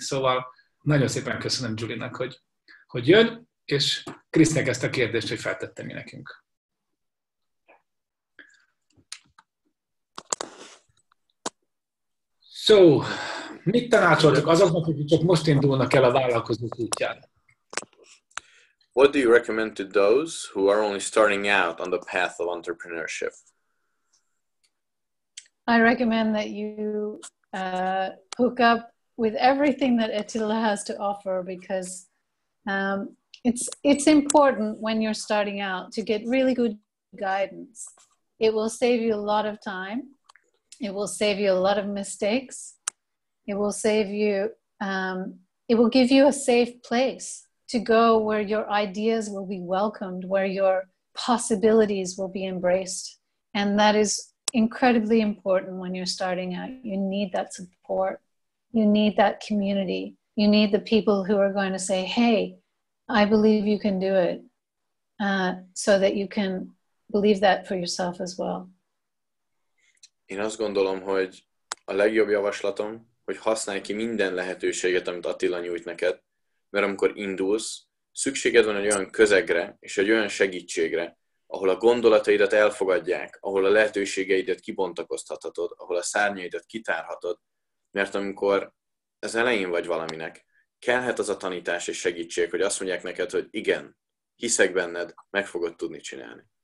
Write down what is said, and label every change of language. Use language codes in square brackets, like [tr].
[hu] Szóval nagyon szépen köszönöm Julie-nak, hogy jön, és Krisznek ezt a kérdést, hogy feltette mi nekünk. So, mit tanácsoltok azoknak, akik csak most indulnak el a vállalkozó útján? [en] What do you recommend to those who are only starting out on the path of entrepreneurship? I recommend that you hook up with everything that Etila has to offer, because it's important when you're starting out to get really good guidance. It will save you a lot of time. It will save you a lot of mistakes. It will save you, it will give you a safe place to go where your ideas will be welcomed, where your possibilities will be embraced. And that is incredibly important when you're starting out. You need that support. You need that community. You need the people who are going to say, hey, I believe you can do it, so that you can believe that for yourself as well. [hu] Én azt gondolom, hogy a legjobb javaslatom, hogy használj ki minden lehetőséget, amit Attila nyújt neked, mert amikor indulsz, szükséged van egy olyan közegre és egy olyan segítségre, ahol a gondolataidat elfogadják, ahol a lehetőségeidet kibontakoztathatod, ahol a szárnyaidat kitárhatod, mert amikor az elején vagy valaminek, kellhet az a tanítás és segítség, hogy azt mondják neked, hogy igen, hiszek benned, meg fogod tudni csinálni.